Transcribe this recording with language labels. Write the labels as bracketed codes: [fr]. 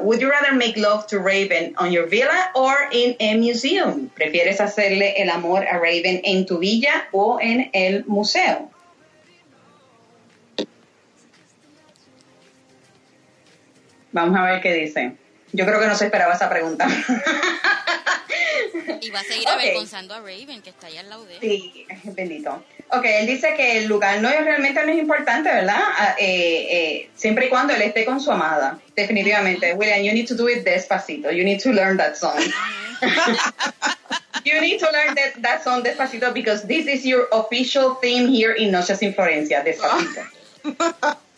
[en] Would you rather make love to Raven on your villa or in a museum? [es] ¿Prefieres hacerle el amor a Raven en tu villa o en el museo? Vamos a ver qué dice. Yo creo que no se esperaba esa pregunta. Y va a seguir avergonzando a Raven, que está ahí al lado de él. Sí, bendito. Ok, él dice que el lugar no es realmente no es importante, ¿verdad? Siempre y cuando él esté con su amada, definitivamente. [en] Uh-huh. William, you need to do it despacito. You need to learn that song. You need to learn that song despacito because this is your official theme here in Noches in Florencia, despacito.